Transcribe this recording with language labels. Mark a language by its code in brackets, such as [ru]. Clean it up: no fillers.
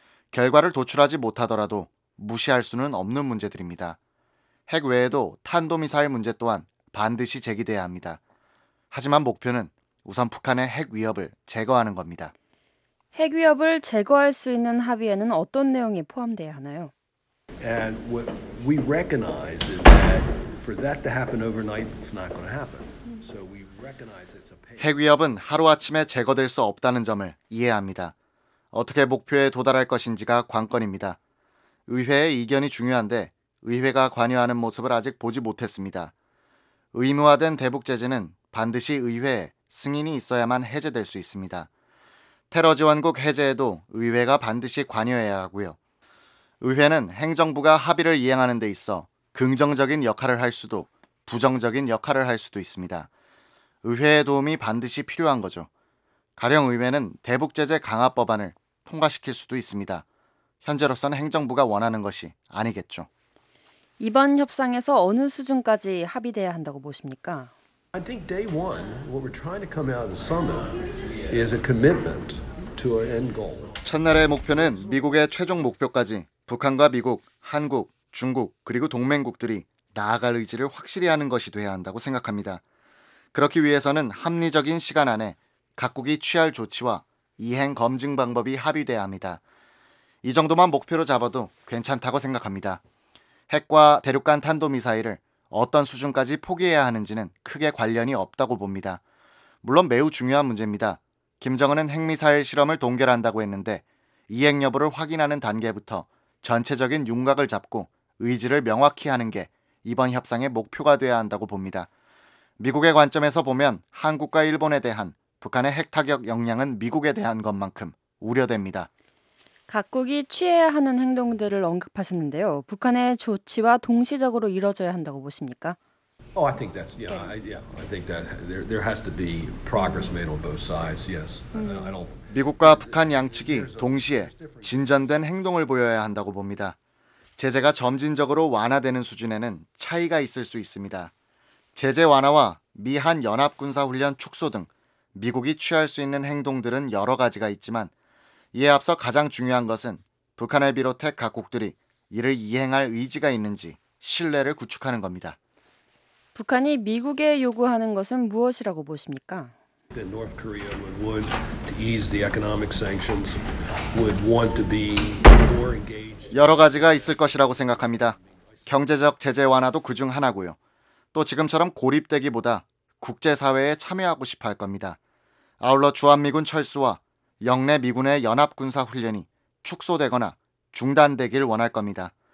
[ko] 결과를 도출하지 못하더라도 무시할 수는 없는 문제들입니다. 핵 외에도 탄도미사일 문제 또한 반드시 제기돼야 합니다. 하지만 목표는 우선 북한의 핵 위협을 제거하는 겁니다. 핵 위협을 제거할 수 있는 합의에는 어떤 내용이 포함돼야 하나요? [en] And what we recognize is that for that to happen overnight, it's not going to happen. So we recognize it's a pain. [ko] 핵 위협은 하루아침에 제거될 수 없다는 점을 이해합니다. 어떻게 목표에 도달할 것인지가 관건입니다. 의회의 이견이 중요한데 의회가 관여하는 모습을 아직 보지 못했습니다. 의무화된 대북 제재는 반드시 의회에 승인이 있어야만 해제될 수 있습니다. 테러 지원국 해제에도 의회가 반드시 관여해야 하고요. 의회는 행정부가 합의를 이행하는 데 있어 긍정적인 역할을 할 수도 부정적인 역할을 할 수도 있습니다. 의회의 도움이 반드시 필요한 거죠. 가령 의회는 대북 제재 강화 법안을 통과시킬 수도 있습니다. 현재로선 행정부가 원하는 것이 아니겠죠. 이번 협상에서 어느 수준까지 합의돼야 한다고 보십니까? [en] I think day one, what we're trying to come out of the summit is a commitment to an end goal. [ko] 첫날의 목표는 미국의 최종 목표까지 북한과 미국, 한국, 중국 그리고 동맹국들이 나아갈 의지를 확실히 하는 것이 돼야 한다고 생각합니다. 그렇기 위해서는 합리적인 시간 안에 각국이 취할 조치와 이행 검증 방법이 합의돼야 합니다. 이 정도만 목표로 잡아도 괜찮다고 생각합니다. 핵과 대륙간 탄도미사일을 어떤 수준까지 포기해야 하는지는 크게 관련이 없다고 봅니다. 물론 매우 중요한 문제입니다. 김정은은 핵미사일 실험을 동결한다고 했는데 이행 여부를 확인하는 단계부터 전체적인 윤곽을 잡고 의지를 명확히 하는 게 이번 협상의 목표가 돼야 한다고 봅니다. 미국의 관점에서 보면 한국과 일본에 대한 북한의 핵타격 역량은 미국에 대한 것만큼 우려됩니다. 각국이 취해야 하는 행동들을 언급하셨는데요. 북한의 조치와 동시적으로 이뤄져야 한다고 보십니까? [en] Oh, I think that's I think that there has to be progress made on both sides. Yes. I don't [ko] 미국과 북한 양측이 동시에 진전된 행동을 보여야 한다고 봅니다. 제재가 점진적으로 완화되는 수준에는 차이가 있을 수 있습니다. 제재 완화와 미한 연합 군사 훈련 축소 등 미국이 취할 수 있는 행동들은 여러 가지가 있지만 이에 앞서 가장 중요한 것은 북한을 비롯해 각국들이 이를 이행할 의지가 있는지 신뢰를 구축하는 겁니다. 북한이 미국에 요구하는 것은 무엇이라고 보십니까? [en] North Korea would to ease the economic sanctions would want to be more engaged. [ko] 여러 가지가 있을 것이라고 생각합니다. 경제적 제재 완화도 그중 하나고요. 또 지금처럼 고립되기보다 국제사회에 참여하고 싶어 할 겁니다. 아울러 주한미군 철수와 영내 미군의 연합군사 훈련이 축소되거나 중단되길 원할 겁니다.